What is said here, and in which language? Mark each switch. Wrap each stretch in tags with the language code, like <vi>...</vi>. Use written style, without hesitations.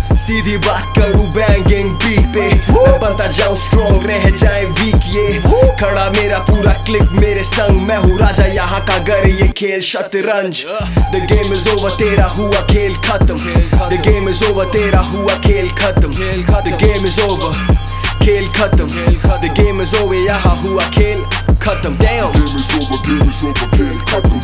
<hi>सीधी बात करूँ banging beat पे, मैं बनता जाऊँ स्ट्रॉन्ग रह जाए वीक ये, खड़ा मेरा पूरा क्लिक मेरे संग, मैं हूँ राजा यहाँ का घर ये खेल शतरंज।</hi> <en>The game is over,</en> <hi>तेरा हुआ खेल खत्म।</hi> <en>The game is over, तेरा हुआ खेल खत्म। The game is over,</en> <hi>खेल खत्म।</hi> <en>The game is over,</en> <hi>यहाँ हुआ खेल खत्म।</hi> <en>Damn. The game is over, game is over,</en> <hi>खेल खत्म</hi>